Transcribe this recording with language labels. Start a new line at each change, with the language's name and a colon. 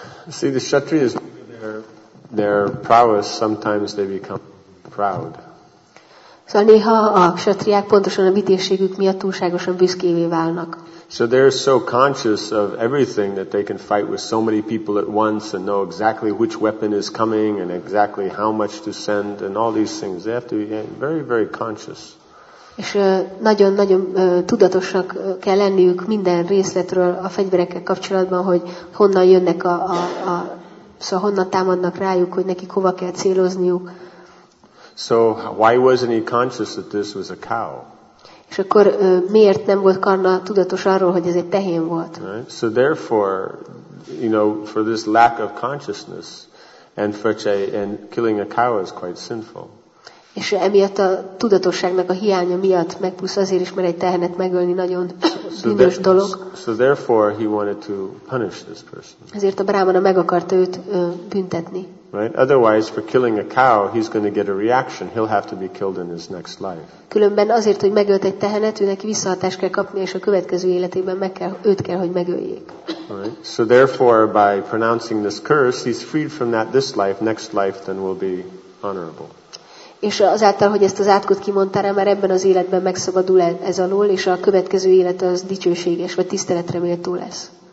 English: See, the kshatriyas, their prowess, sometimes they become proud.
Hungarian: Szóval néha a kshatriák pontosan a vitézségük miatt túlságosan büszkévé válnak.
English: So they're so conscious of everything that they can fight with so many people at once and know exactly which weapon is coming and exactly how much to send and all these things. They have to be very, very conscious.
Hungarian: És nagyon-nagyon tudatosak kell lenniük minden részletről a fegyverekkel kapcsolatban, hogy honnan jönnek a szóval honnan támadnak rájuk, hogy nekik hova kell célozniuk.
English: So why wasn't he conscious that this was a cow?
Hungarian: És akkor miért nem volt Karna tudatos arról, hogy ez egy tehén volt?
English: Right. So therefore, you know, for this lack of consciousness and killing a cow is quite sinful.
Hungarian: És emiatt a tudatosságnak a hiánya miatt, meg plusz azért is, mert egy tehenet megölni nagyon bűnös dolog.
English: So therefore he wanted to punish this person.
Hungarian: Ezért a brámana meg akarta őt büntetni.
English: Right? Otherwise, for killing a cow, he's going to get a reaction. He'll have to be killed in his next life.
Hungarian: Különben azért, hogy megölt egy tehenet, őnek visszahatást kell kapni, és a következő életében őt kell, hogy megöljék.
English: Right? So therefore, by pronouncing this curse, he's freed from that this life. Next life, then, will be honorable.
Hungarian: És azáltal, hogy ezt az átkot kimondtál, már ebben az életben megszabadul ez alól, és a következő élet az dicsőséges, vagy tiszteletre méltó lesz.